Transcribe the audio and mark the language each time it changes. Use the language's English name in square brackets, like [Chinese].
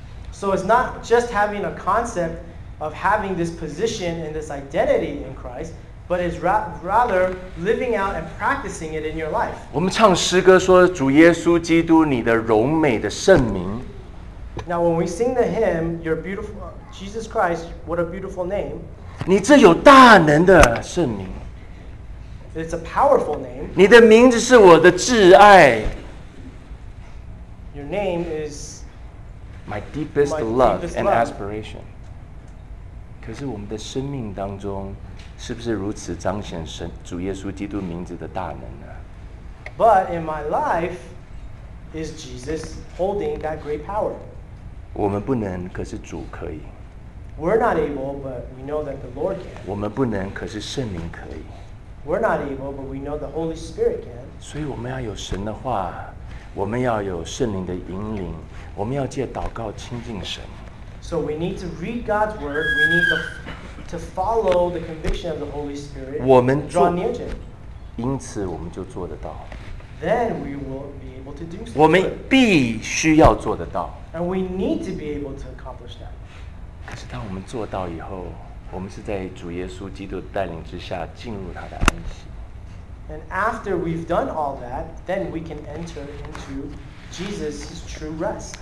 [English] So it's not just having a concept of having this position and this identity in Christ, But is rather living out and practicing it in your life. [Chinese] 我们唱诗歌说主耶稣基督你的荣美的圣名。 [English] Now when we sing the hymn, your beautiful, Jesus Christ, what a beautiful name. [Chinese] 你这有大能的圣名。 [English] It's a powerful name. [Chinese] 你的名字是我的挚爱。 [English] Your name is my deepest love and aspiration. [Chinese] 可是我们的生命当中是不是如此彰显神主耶稣基督名字的大能呢？ [English] But in my life, is Jesus holding that great power? [Chinese] 我们不能，可是主可以。 [English] We're not able, but we know that the Lord can. [Chinese] 我们不能，可是圣灵可以。 [English] We're not able, but we know the Holy Spirit can. [Chinese] 所以我们要有神的话，我们要有圣灵的引领，我们要借祷告亲近神。 [English] So we need to read God's word. We need to follow the conviction of the Holy Spirit. And draw near to Him. [Chinese] 因此我们就做得到。 [English] Then we will be able to do so. [Chinese] 我们必须要做得到。 [English] And we need to be able to accomplish that. [Chinese] 可是当我们做到以后，我们是在主耶稣基督带领之下进入他的安息。 [English] And after we've done all that, then we can enter into Jesus' true rest.